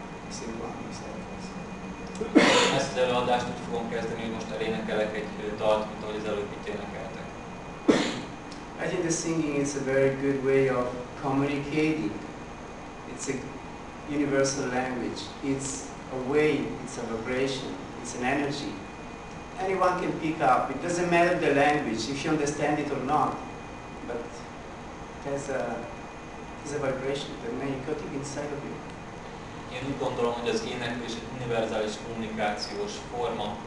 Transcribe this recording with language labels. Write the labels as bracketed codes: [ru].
[en] Sing one of the songs. [hu] Ezt az előadást úgy fogom kezdeni, hogy most elénekelek egy dalt, mint ahogy az előbb itt énekeltek. [en] I think the singing is a very good way of communicating. It's a universal language. It's a way, it's a vibration, it's an energy. Anyone can pick up. It doesn't matter the language, if you understand it or not. But there's a vibration that may cut it inside of you. [hu] Én úgy gondolom, hogy az éneklés egy univerzális kommunikációs forma.